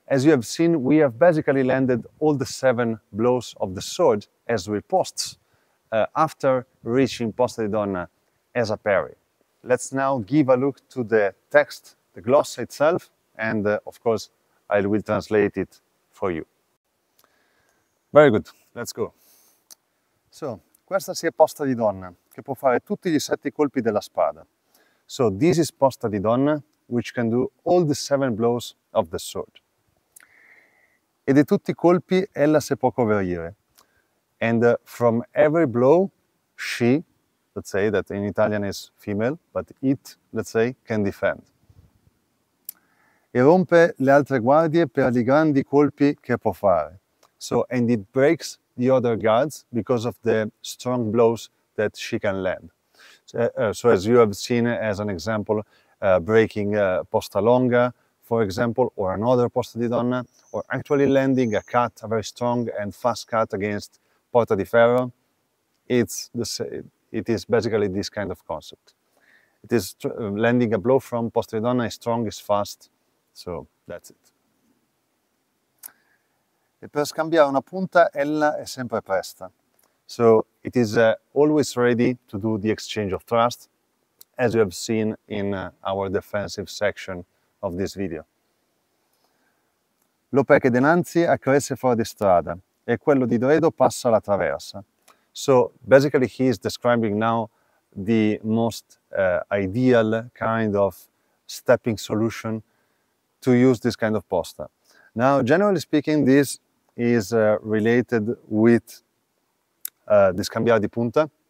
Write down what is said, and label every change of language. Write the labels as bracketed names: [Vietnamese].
[English] As you have seen, we have basically landed all the seven blows of the sword as ripostes after reaching Posta di Donna as a parry. Let's now give a look to the text, the gloss itself, and of course, I will translate it for you. Very good. Let's go. [Italian] So, questa si è Posta di Donna, che può fare tutti gli sette colpi della spada. [English] So, this is Posta di Donna, which can do all the seven blows of the sword. [Italian] E di tutti I colpi ella si può coverire. [English] And from every blow, she, let's say that in Italian is female, but it, let's say, can defend. [Italian] E rompe le altre guardie per I grandi colpi che può fare. [English] So, and it breaks the other guards because of the strong blows that she can land. So as you have seen as an example, breaking Posta Longa, for example, or another Posta di Donna, or actually landing a cut, a very strong and fast cut against Porta di Ferro, it is basically this kind of concept. It is landing a blow from Posta di Donna is strong, is fast, so that's it. [Italian] E per scambiare una punta, ella è sempre presta. [English] So it is always ready to do the exchange of thrust, as you have seen in our defensive section of this video. [Italian] L'ope che denanzi accresce fuori di strada, e quello di Dredo passa la traversa. [English] So basically he is describing now the most ideal kind of stepping solution to use this kind of posta. Now, generally speaking, this is related with the scambiare di punta.